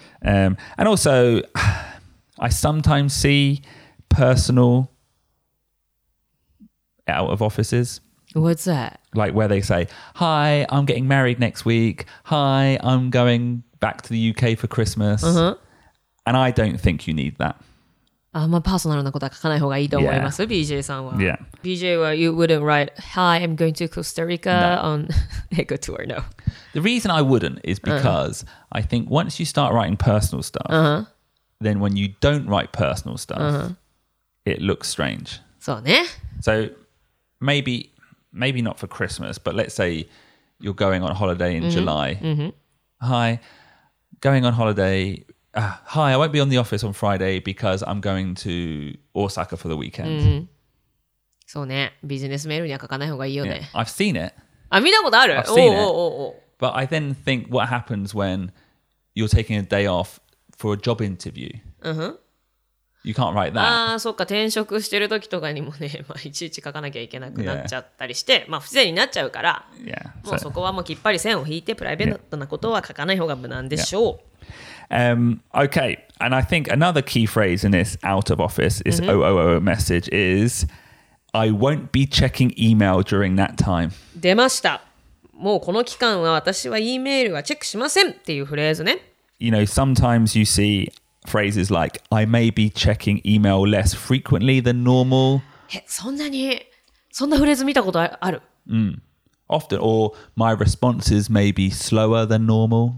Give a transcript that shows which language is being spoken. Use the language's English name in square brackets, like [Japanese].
[English] And also, I sometimes see personal out of offices. What's that? Like where they say, hi, I'm getting married next week. Hi, I'm going back to the UK for Christmas.、 Uh-huh. And I don't think you need that. [Japanese] あんまパーソナルなことは書かない方がいいと思います、 [English] yeah. [Japanese] BJ さんは、 [English] yeah. BJ は You wouldn't write Hi, I'm going to Costa Rica、no. on Eco Tour, no The reason I wouldn't is because、uh-huh. I think once you start writing personal stuff、 uh-huh. Then when you don't write personal stuff、 uh-huh. It looks strange [Japanese] そうね [English] So maybe not for Christmas But let's say you're going on holiday in、 mm-hmm. July、 mm-hmm. Hi, going on holidayHi, I won't be on the office on Friday because I'm going to Osaka for the weekend.、 [Japanese] うん、そうね。ビジネスメールには書かない方がいいよね。 [English] Yeah. I've seen it. [Japanese] あ、見たことある [English] I've seen it. But I then think what happens when you're taking a day off for a job interview.、 [Japanese] うん、 [English] you can't write that. [Japanese] ああ、そっか。転職してる時とかにもね、まあ、いちいち書かなきゃいけなくなっちゃったりして、yeah. まあ、不自然になっちゃうから、 [English] yeah. [Japanese] もうそこはもうきっぱり線を引いてプライベートなことは書かない方が無難でしょう。 [English] Yeah. Okay, and I think another key phrase in this out of office, this、mm-hmm. OOO message is I won't be checking email during that time. [Japanese] 出ました。もうこの期間は私は E メールはチェックしませんっていうフレーズね。 [English] You know, sometimes you see phrases like I may be checking email less frequently than normal. [Japanese] そんなに、そんなフレーズ見たことある、うん、 [English] often, or my responses may be slower than normal.